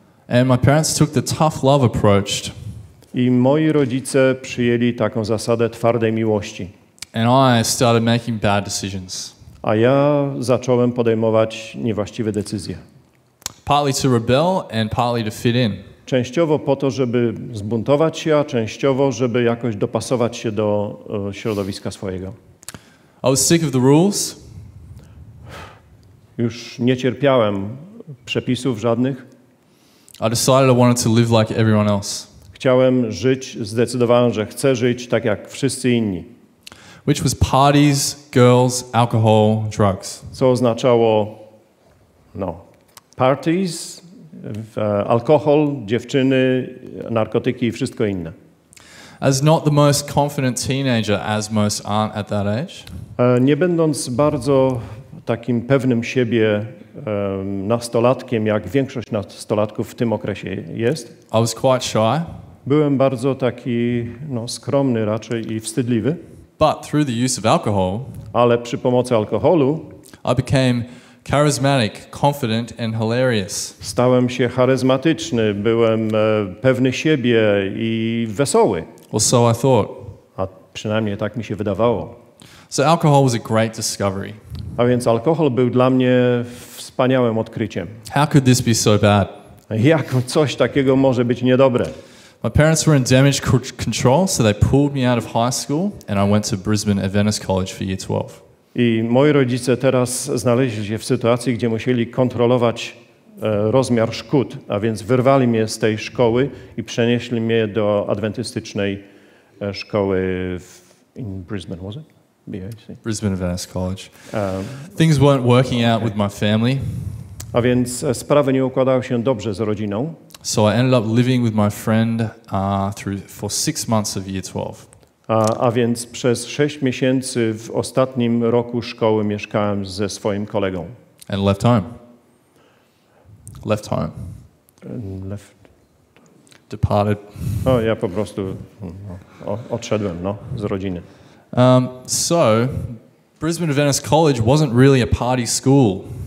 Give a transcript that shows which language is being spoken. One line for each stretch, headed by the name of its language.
English: And my parents took the tough love approach.
Polish: I moi rodzice przyjęli taką zasadę twardej miłości.
English: And I started making bad decisions.
Polish: A ja zacząłem podejmować niewłaściwe decyzje.
English: Partly to rebel and partly to fit in.
Polish: Częściowo po to, żeby zbuntować się, a częściowo, żeby jakoś dopasować się do środowiska swojego.
English: I was sick of the rules.
Polish: Już nie cierpiałem przepisów żadnych.
English: I decided I wanted to live like everyone else.
Polish: Chciałem żyć, zdecydowałem, że chcę żyć tak jak wszyscy inni.
English: Which was parties, girls, alcohol, drugs.
Polish: Co oznaczało, parties, alkohol, dziewczyny, narkotyki i wszystko inne.
English: As not the most confident teenager, as most aren't at that age.
Polish: Nie będąc bardzo takim pewnym siebie nastolatkiem, jak większość nastolatków w tym okresie jest.
English: I was quite shy.
Polish: Byłem bardzo taki skromny raczej i wstydliwy.
English: But through the use of alcohol,
Polish: ale przy pomocy alkoholu,
English: I became charismatic, confident and hilarious.
Polish: Stałem się charyzmatyczny, byłem pewny siebie i wesoły.
English: Well, so I thought.
Polish: A przynajmniej tak mi się wydawało.
English: So alcohol was a great discovery.
Polish: A więc alkohol był dla mnie wspaniałym odkryciem.
English: How could this be so bad?
Polish: Jak coś takiego może być niedobre?
English: My parents were in damage control, so they pulled me out of high school and I went to Brisbane Adventist College for year 12.
Polish: I moi rodzice teraz znaleźli się w sytuacji, gdzie musieli kontrolować rozmiar szkód, a więc wyrwali mnie z tej szkoły i przenieśli mnie do adwentystycznej szkoły
English: in Brisbane, was it? BAC? Brisbane Adventist College. Things weren't working out with my family.
Polish: A więc sprawy nie układały się dobrze z rodziną.
English: So I ended up living with my friend for 6 months of year 12.
Polish: A więc przez 6 miesięcy w ostatnim roku szkoły mieszkałem ze swoim kolegą.
English: And left home. Left home. Left. departed.
Polish: No, ja po prostu odszedłem, no, z rodziny.
English: So Brisbane Adventist College wasn't really a party school.